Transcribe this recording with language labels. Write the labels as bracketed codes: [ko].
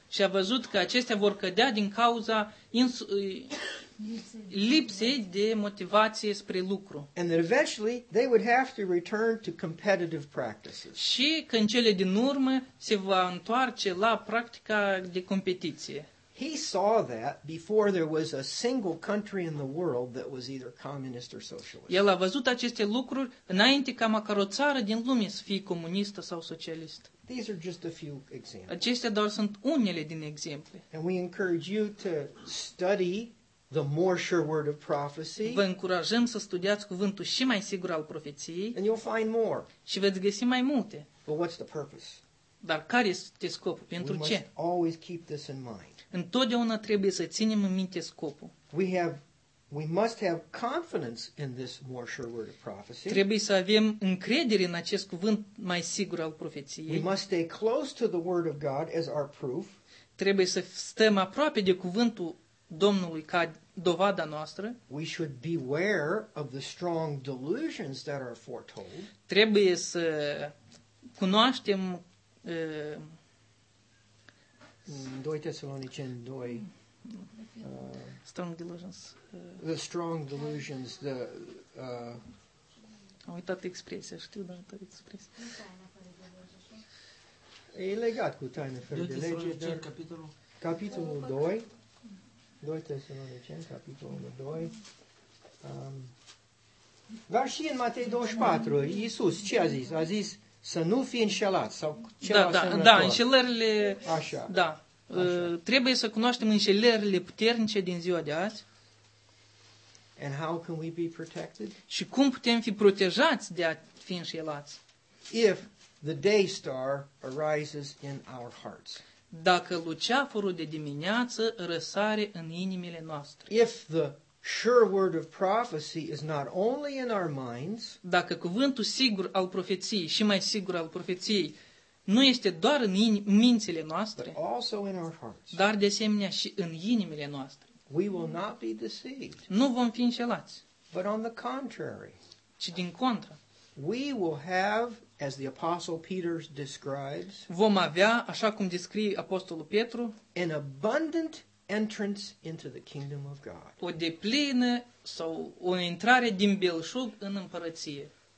[ro] Și a văzut că acestea vor cădea din cauza lipsei de motivație spre lucru. [en] And that eventually they would have to return to competitive practices. [ro] Și că în cele din urmă se va întoarce la practica de competiție. [en] He saw that before there was a single country in the world that was either communist or socialist. [ro] El a văzut aceste lucruri înainte ca măcar o țară din lume să fie comunistă sau socialistă. [en] These are just a few examples. [ro] Acestea doar sunt unele din exemple. [en] And we encourage you to study the more sure word of prophecy. [ro] Vă încurajăm să studiați cuvântul și mai sigur al profeției. [en] And you'll find more. [ro] Și veți găsi mai multe. [en] But what's the purpose? [ro] Dar care este scopul? Pentru ce? [en] We must always keep this in mind. [ro] Întotdeauna trebuie să ținem în minte scopul. [en] We must have confidence in this more sure word of prophecy. [ro] Trebuie să avem încredere în acest cuvânt mai sigur al profeției. [en] We must stay close to the word of God as our proof. [ro] Trebuie să stăm aproape de cuvântul Domnului ca dovada noastră. [en] We should beware of the strong delusions that are foretold. [ro] Trebuie să cunoaștem [en] 2 Thessalonicians 2. Strong delusions. The strong delusions, the... [ro] Am uitat expresia, știu, dar am uitat expresia. E legat cu taină fără de lege, dar... Capitolul 2. 2 Tesaloniceni, capitolul 2. Dar și în Matei 24, Iisus, ce a zis? A zis să nu fii înșelat sau ceva asemănător. Da, înșelările... Așa. Da. Așa. Trebuie să cunoaștem înșelările puternice din ziua de azi. [en] And how can we be protected? [ro] Și cum putem fi protejați de a fi înșelați? [en] If the day star arises in our hearts. [ro] Dacă luceafărul de dimineață răsare în inimile noastre. [en] If the sure word of prophecy is not only in our minds. [ro] Dacă cuvântul sigur al profeției și mai sigur al profeției nu este doar în mințile noastre, [en] but also in our hearts. [ro] Dar de asemenea și în inimile noastre. [en] We will not be deceived. [ro] Nu vom fi înșelați. [en] But on the contrary. [ro] Ci din contră. [en] We will have, as the apostle Peter describes. [ro] Vom avea, așa cum descrie apostolul Petru, [en] an abundant entrance into the kingdom of God. [ro] O deplină sau o intrare din belșug în împărăție.